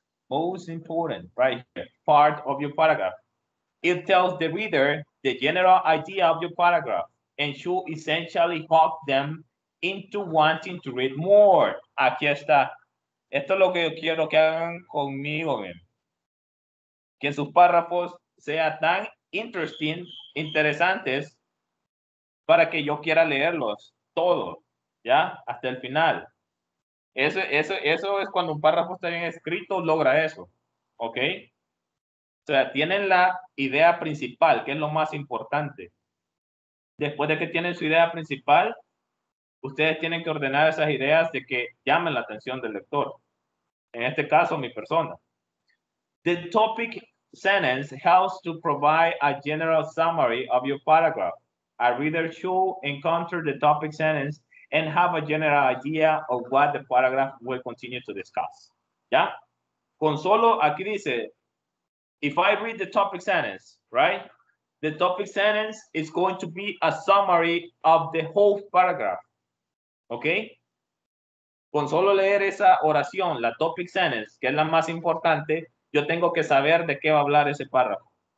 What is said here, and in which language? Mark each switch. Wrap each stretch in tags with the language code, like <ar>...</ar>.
<en>Most important, right here, part of your paragraph. It tells the reader the general idea of your paragraph and should essentially hook them into wanting to read more.</en> <es>Aquí está. Esto es lo que yo quiero que hagan conmigo, man. Que sus párrafos sean tan interesantes para que yo quiera leerlos todo, ¿ya? Hasta el final. Eso es cuando un párrafo está bien escrito, logra eso, ¿ok? O sea, tienen la idea principal, que es lo más importante. Después de que tienen su idea principal, ustedes tienen que ordenar esas ideas de que llamen la atención del lector. En este caso, mi persona.</es> <en>The topic sentence helps to provide a general summary of your paragraph. A reader should encounter the topic sentence and have a general idea of what the paragraph will continue to discuss. ¿Ya?</en> <es>Con solo, aquí dice,</es> <en>if I read the topic sentence, right? The topic sentence is going to be a summary of the whole paragraph. Okay?</en> <es>Con solo leer esa oración, la topic sentence, que es la más importante, yo tengo que saber de qué va a hablar ese párrafo.</es>